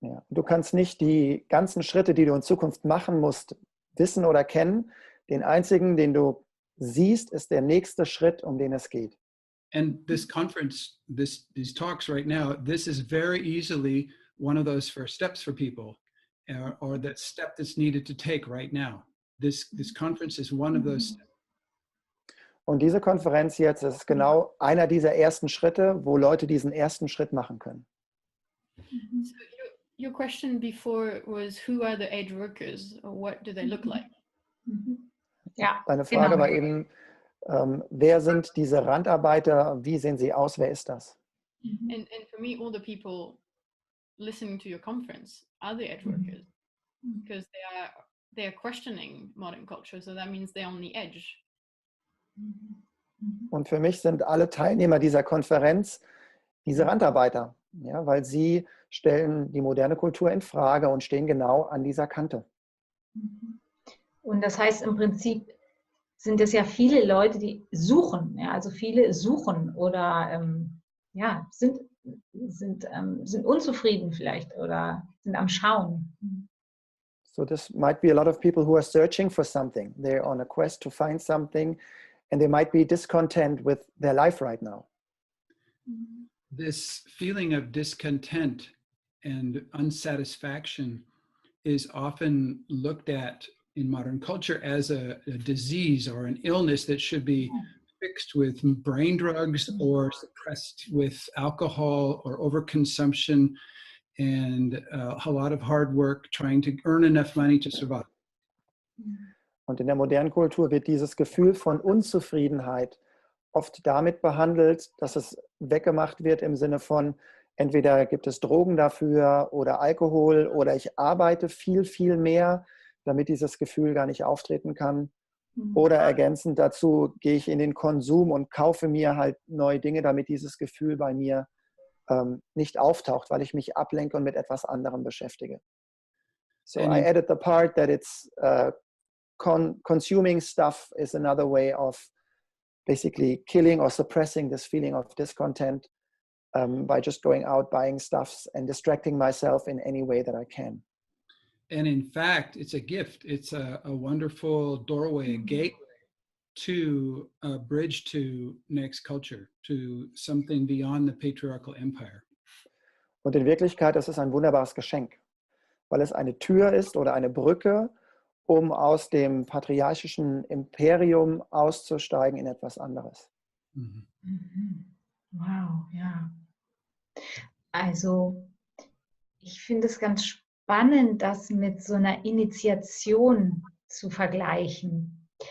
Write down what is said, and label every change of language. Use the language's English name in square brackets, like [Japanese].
[German] Du kannst nicht die ganzen Schritte, die du in Zukunft machen musst, wissen oder kennen. Den einzigen, den du siehst, ist der nächste Schritt, um den es geht. [English] And this conference, these talks right now, this is very easily one of those first steps for people, or that step that's needed to take right now. This conference is one of those steps. [German] Und diese Konferenz jetzt ist genau einer dieser ersten Schritte, wo Leute diesen ersten Schritt machen können. [English] So your question before was, who are the aid workers? Or what do they look like? Mm-hmm. [German] Ja, deine Frage genau. War eben, wer sind diese Randarbeiter? Wie sehen sie aus? Wer ist das? Mm-hmm. [English] And for me, all the people listening to your conference are the aid workers. Mm-hmm. Because they are questioning modern culture, so that means they're on the edge. [German] Und für mich sind alle Teilnehmer dieser Konferenz diese Randarbeiter, ja, weil sie stellen die moderne Kultur in Frage und stehen genau an dieser Kante. Und das heißt, im Prinzip sind es ja viele Leute, die suchen, ja, also viele suchen oder sind unzufrieden vielleicht oder sind am Schauen. [English] So this might be a lot of people who are searching for something. They're on a quest to find something. And they might be discontent with their life right now. This feeling of discontent and unsatisfaction is often looked at in modern culture as a disease or an illness that should be fixed with brain drugs or suppressed with alcohol or overconsumption and a lot of hard work trying to earn enough money to survive. [German] Und in der modernen Kultur wird dieses Gefühl von Unzufriedenheit oft damit behandelt, dass es weggemacht wird im Sinne von, entweder gibt es Drogen dafür oder Alkohol oder ich arbeite viel, viel mehr, damit dieses Gefühl gar nicht auftreten kann. Oder ergänzend dazu gehe ich in den Konsum und kaufe mir halt neue Dinge, damit dieses Gefühl bei mir nicht auftaucht, weil ich mich ablenke und mit etwas anderem beschäftige. [English] So I added the part that it's consuming stuff is another way of basically killing or suppressing this feeling of discontent by just going out, buying stuff and distracting myself in any way that I can. And in fact, it's a gift. It's a wonderful doorway, a gateway to a bridge to next culture, to something beyond the patriarchal empire. [German] Und in Wirklichkeit, das ist ein wunderbares Geschenk, weil es eine Tür ist oder eine Brücke, um aus dem patriarchischen Imperium auszusteigen in etwas anderes. Wow, ja. Also, ich finde es ganz spannend, das mit so einer Initiation zu vergleichen.